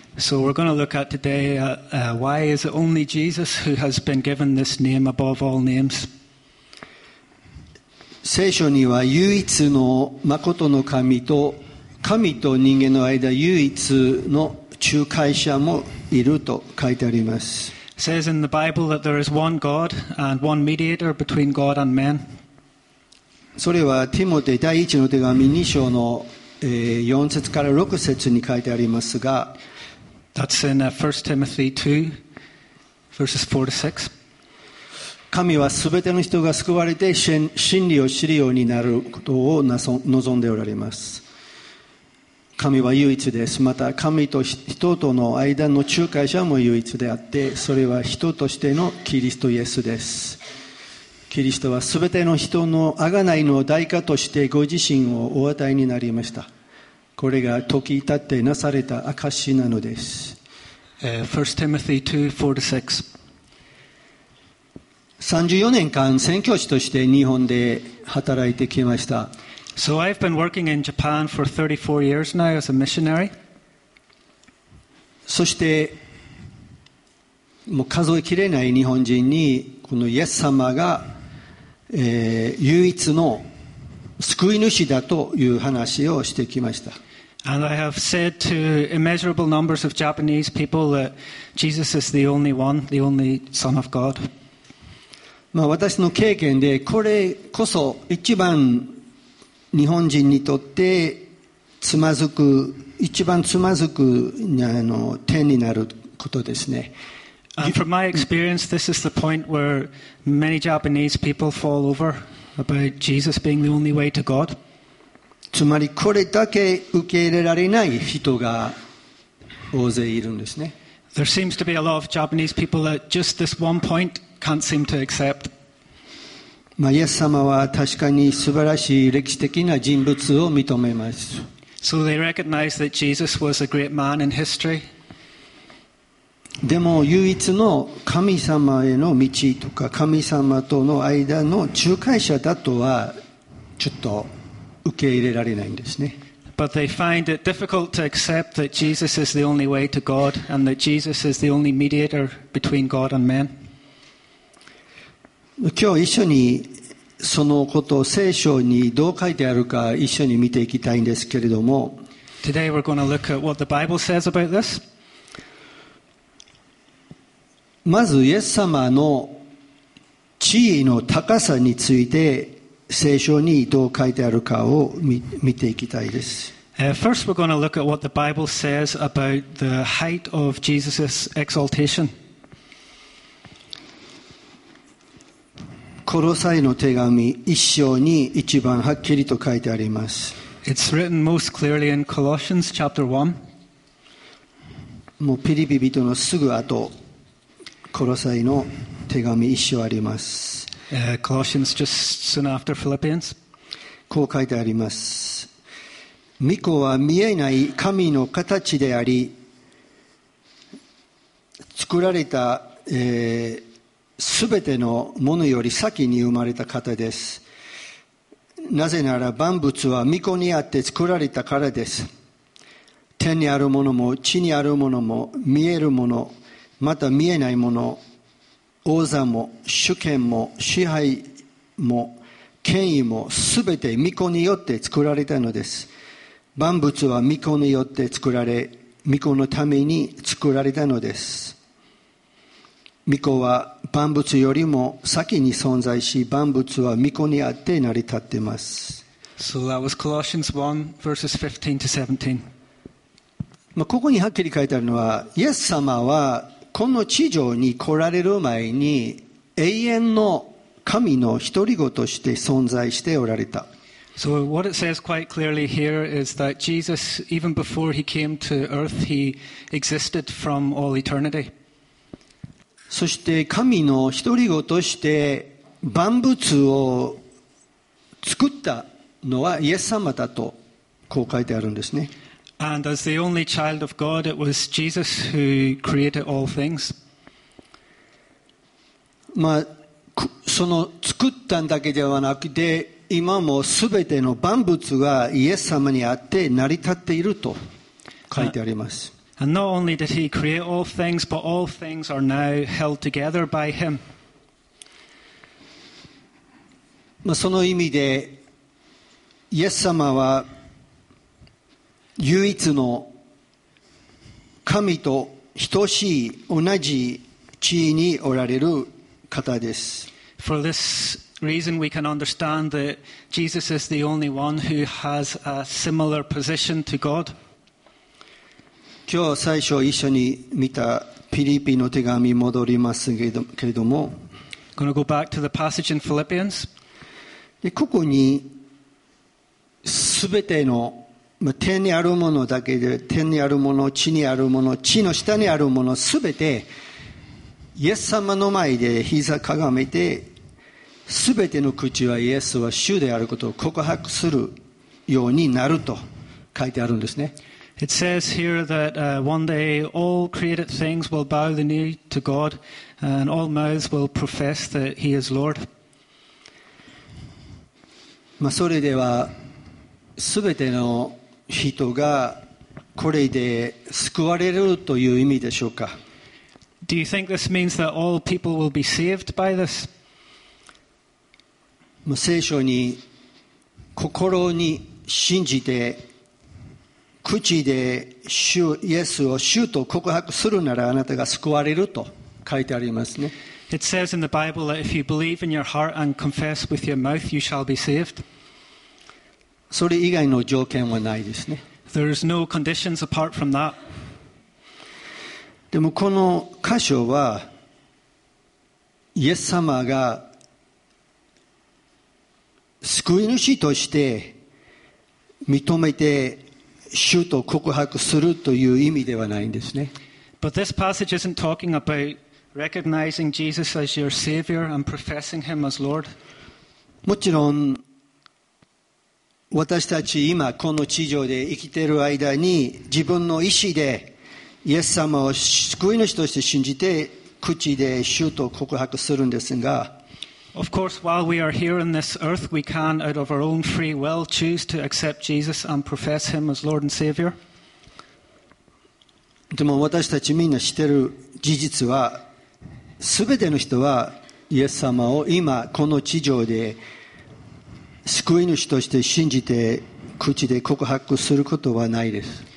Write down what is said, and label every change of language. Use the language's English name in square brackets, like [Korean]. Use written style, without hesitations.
[English] So we're going to look at today, why is it only Jesus who has been given this name above all names? [Japanese] 聖書には唯一の真の神と神と人間の間唯一の仲介者もいると書いてあります。 [English] Says in the Bible that there is one God and one mediator between God and men. [Japanese] それはティモテ第一の手紙2章の4節から6節に書いてありますが、 [English] That's in 1 Timothy 2, verses 4 to 6. [Japanese] 神はすべての人が救われて真理を知るようになることを望んでおられます。神は唯一です。また神と人との間の仲介者も唯一であって、それは人としてのキリストイエスです。キリストはすべての人の贖いの代価としてご自身をお与えになりました。これが時至ってなされた証なのです。 [English] 1 Timothy 2:4-6. [Japanese] 34年間宣教師として日本で働いてきました。 [English] So I've been working in Japan for 34 years now as a missionary. [Japanese] そしてもう数えきれない日本人にこのイエス様が、唯一の救い主だという話をしてきました。 [English] And I have said to immeasurable numbers of Japanese people that Jesus is the only one, the only Son of God. [Japanese] まあ私の経験でこれこそ一番日本人にとってつまずく、一番つまずく点になることですね。 [English] And from my experience, this is the point where many Japanese people fall over about Jesus being the only way to God. [Japanese] つまりこれだけ受け入れられない人が大勢いるんですね。 [English] There seems to be a lot of Japanese people that just this one point can't seem to accept. [Japanese] まあ、イエス様は確かに素晴らしい歴史的な人物を認めます。 [English] So they recognize that Jesus was a great man in history. [Japanese] でも唯一の神様への道とか神様との間の仲介者だとはちょっと受け入れられないんですね。 [English] But they find it difficult to accept that Jesus is the only way to God and that Jesus is the only mediator between God and men. [Japanese] 今日一緒にそのことを聖書にどう書いてあるか一緒に見ていきたいんですけれども、 [English] Today we're going to look at what the Bible says about this。 [Japanese] まずイエス様の地位の高さについて聖書にどう書いてあるかを見ていきたいです。 [English] First, we're going to look at what the Bible says about the height of Jesus' exaltation. [Japanese] コロサイの手紙一章に一番はっきりと書いてあります。 [English] It's written most clearly in Colossians chapter 1. [Japanese] もうピリピ人のすぐ後、コロサイの手紙一章あります。 [English] Colossians just soon after Philippians. [Japanese] こう書いてあります。御子は見えない神の形であり、作られた、全てのものより先に生まれた方です。なぜなら万物は御子にあって作られたからです。天にあるものも地にあるものも、見えるものまた見えないもの、王座も主権も支配も権威も、全て御子によって作られたのです。万物は御子によって作られ、御子のために作られたのです。御子は万物よりも先に存在し、万物は御子にあって成り立っています。 [English] So that was Colossians 1 verses 15 to 17。 [Japanese] まあここにはっきり書いてあるのは、イエス様はこの地上に来られる前に永遠の神の独り子として存在しておられた。 [English] So what it says quite clearly here is that Jesus, even before he came to earth, he existed from all eternity. [Japanese] そして神の独り子として万物を作ったのはイエス様だとこう書いてあるんですね。 [English] And as the only child of God, it was Jesus who created all things. [Japanese] まあ、その作ったんだけではなくて、今も全ての万物がイエス様にあって成り立っていると書いてあります。 [English] And not only did he create all things, but all things are now held together by him. [Japanese] まあその意味でイエス様は唯一の神と等しい同じ地位におられる方です。 [English] For thisreason we can understand that Jesus is the only one who has a similar position to God. [Japanese] 今日最初一緒に見たピリピの手紙戻りますけれども、 [English] going to go back to the passage in Philippians. [Japanese] でここに全ての、まあ、天にあるものだけで、天にあるもの、地にあるもの、地の下にあるもの、全てイエス様の前で膝かがめて、全ての口はイエスは主であることを告白するようになると書いてあるんですね。 [English] It says here that one day all created things will bow the knee to God and all mouths will profess that he is Lord. [Japanese] まあそれでは全ての人がこれで救われるという意味でしょうか。 [English] Do you think this means that all people will be saved by this? [Japanese] 聖書に心に信じて口で主イエスを主と告白するなら、あなたが救われると書いてありますね。 [English] It says in the Bible that if you believe in your heart and confess with your mouth, you shall be saved. [Japanese] それ以外の条件はないですね。 [English] There is no conditions apart from that. [Japanese] でもこの箇所はイエス様が救い主として認めて主と告白するという意味ではないんですね。 [English] But this passage isn't talking about recognizing Jesus as your Savior and professing Him as Lord. [Japanese] もちろん私たち今この地上で生きている間に自分の意思でイエス様を救い主として信じて口で主と告白するんですが、 [English] Of course, while we are here in this earth, we can, out of our own free will, choose to accept Jesus and profess Him as Lord and Savior. [Japanese] でも私たちみんな知ってる事実は、すべての人はイエス様を今この地上で救い主として信じて口で告白することはないです。